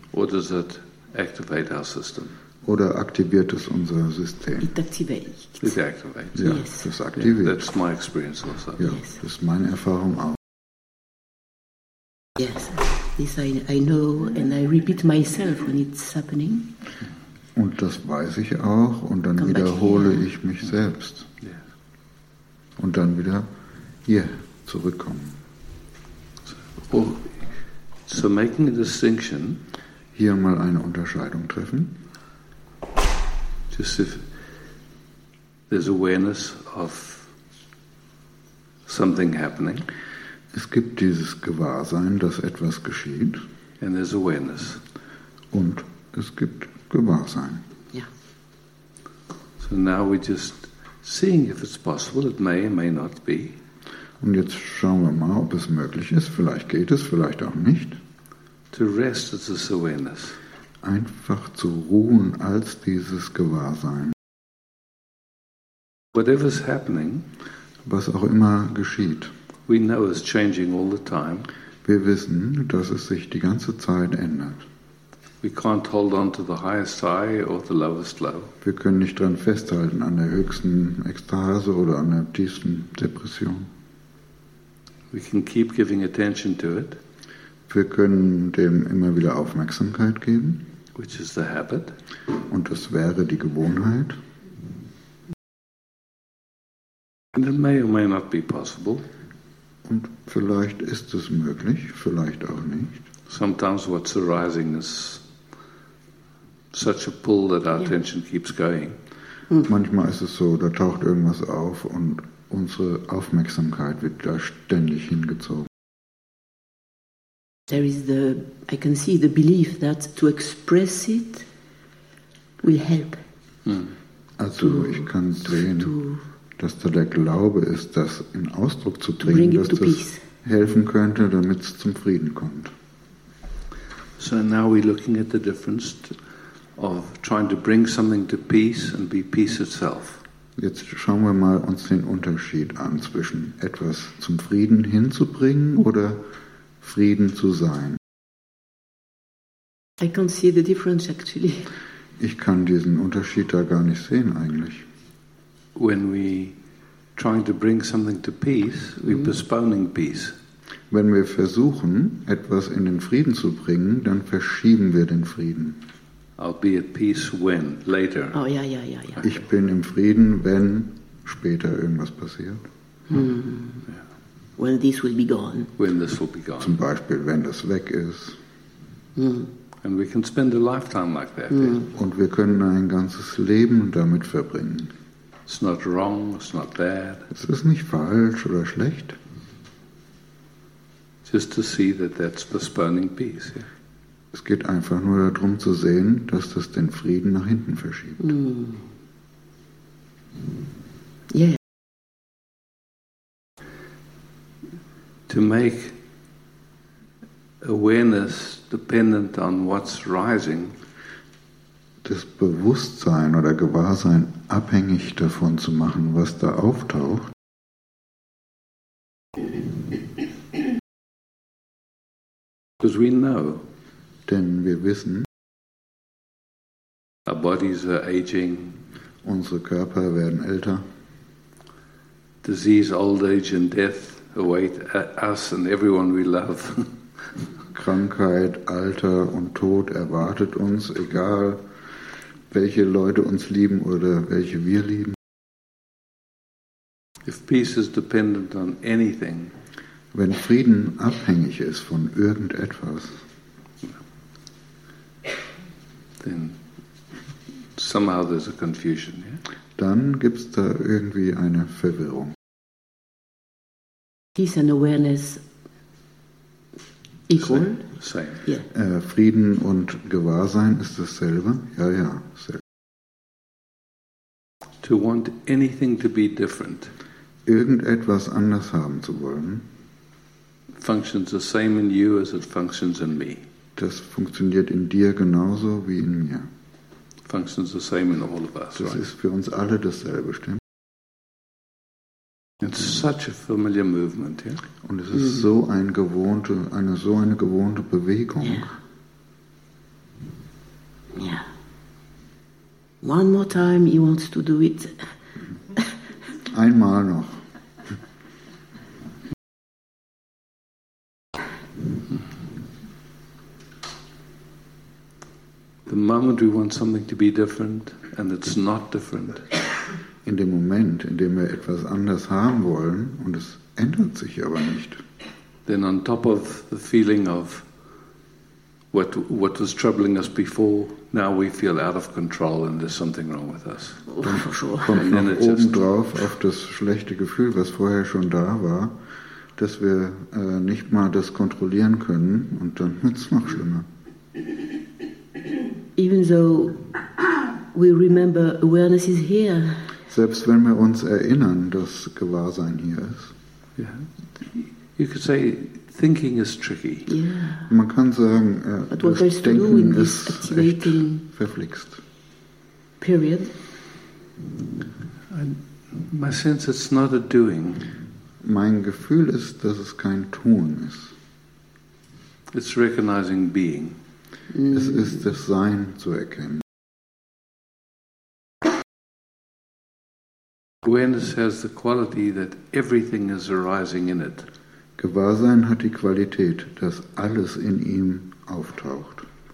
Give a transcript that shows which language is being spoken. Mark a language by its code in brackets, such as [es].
[en] Or does it activate our system? [de] Oder aktiviert es unser System? [en] It activates. It activates. [de] Ja, [en] yes. [de] Das aktiviert. [en] Yeah, that's my experience also. [de] Ja, [en] yes. [de] Das ist meine Erfahrung auch. [en] Yes, this I know and I repeat myself when it's happening. [de] Und das weiß ich auch und dann wiederhole ich mich selbst. [en] Yeah. [de] Und dann wieder hier zurückkommen. [en] So making a distinction. [de] Hier mal eine Unterscheidung treffen. [en] Just if there's awareness of something happening. [de] Es gibt dieses Gewahrsein, dass etwas geschieht. [en] And there's awareness. [de] Und es gibt Gewahrsein. [en] Yeah. So now we're just seeing if it's possible. It may or may not be. [de] Und jetzt schauen wir mal, ob es möglich ist. Vielleicht geht es, vielleicht auch nicht. [en] To rest as this awareness. [de] Einfach zu ruhen als dieses Gewahrsein. [en] Whatever's happening, [de] was auch immer geschieht, [en] we know it's changing all the time. [de] Wir wissen, dass es sich die ganze Zeit ändert. [en] We can't hold on to the highest high or the lowest low. [de] Wir können nicht dran festhalten an der höchsten Ekstase oder an der tiefsten Depression. [en] We can keep giving attention to it. [de] Wir können dem immer wieder Aufmerksamkeit geben. [en] Which is the habit. [de] Und das wäre die Gewohnheit. [en] And it may or may not be possible. [de] Und vielleicht ist es möglich, vielleicht auch nicht. [en] Sometimes what's arising is such a pull that our attention keeps going. [de] Manchmal ist es so, da taucht irgendwas auf und unsere Aufmerksamkeit wird da ständig hingezogen. [en] There is the, I can see the belief that to express it will help. [de] Also ich kann sehen, dass da der Glaube ist, das in Ausdruck zu bringen, dass das helfen könnte, damit es zum Frieden kommt. [en] So now we're looking at the difference of trying to bring something to peace and be peace itself. [de] Jetzt schauen wir mal uns den Unterschied an zwischen etwas zum Frieden hinzubringen oder Frieden zu sein. [en] I can't see the difference actually. [de] Ich kann diesen Unterschied da gar nicht sehen eigentlich. [en] When we trying to bring something to peace, we're postponing peace. [de] Wenn wir versuchen, etwas in den Frieden zu bringen, dann verschieben wir den Frieden. [en] I'll be at peace when, later. Oh, yeah, yeah, yeah, yeah. [de] Ich bin im Frieden, wenn später irgendwas passiert. [en] Yeah. When this will be gone. When this will be gone. [de] Zum Beispiel, wenn das weg ist. [en] And we can spend a lifetime like that. [de] Und wir können ein ganzes Leben damit verbringen. [en] It's not wrong, it's not bad. [de] Es ist nicht falsch oder schlecht. [en] Just to see that that's postponing peace, yeah. [de] Es geht einfach nur darum zu sehen, dass das den Frieden nach hinten verschiebt. [en] Yeah. To make awareness dependent on what's rising. [de] Das Bewusstsein oder Gewahrsein abhängig davon zu machen, was da auftaucht. [en] Because we know. [de] Denn wir wissen, [en] our bodies are aging. [de] Unsere Körper werden älter. [en] Disease, old age and death await us and everyone we love. [de] Krankheit, Alter und Tod erwartet uns, egal welche Leute uns lieben oder welche wir lieben. [en] If peace is dependent on anything, [de] wenn Frieden abhängig ist von irgendetwas, [en] then somehow there's a confusion, yeah? [de] Dann gibt's da irgendwie eine Verwirrung. [en] Peace and awareness Equal? Same. Yeah. [de] Frieden und Gewahrsein ist dasselbe? Ja, ja. Selbe. [en] To want anything to be different. [de] Irgendetwas anders haben zu wollen. [en] Functions the same in you as it functions in me. [de] Das funktioniert in dir genauso wie in mir. [en] Functions the same in all of us. [de] Das ist für uns alle dasselbe, stimmt? [en] It's such a familiar movement, yeah? [de] Und es ist so eine gewohnte Bewegung. [en] Yeah. Yeah. One more time, he wants to do it. [de] Einmal noch. [en] The moment we want something to be different and it's not different. [de] In dem Moment, in dem wir etwas anders haben wollen und es ändert sich aber nicht. [en] Then on top of the feeling of what was troubling us before, now we feel out of control and there's something wrong with us. [de] Obendrauf auf das schlechte Gefühl, was vorher schon da war, dass wir nicht mal das kontrollieren können, und dann wird's noch schlimmer. [en] Even though we remember awareness is here. [de] Selbst wenn wir uns erinnern, dass Gewahrsein hier ist. [en] Yeah. You could say thinking is tricky. Yeah. [de] Man kann sagen, das Denken ist echt verflixt. [en] Period. My sense it's not a doing. [de] Mein Gefühl ist, dass es kein Tun ist. [en] It's recognizing being. [de] Es ist das Sein zu erkennen. [en] Awareness has the quality that everything is arising in it. [de] Gewahrsein hat die Qualität, dass alles in ihm auftaucht.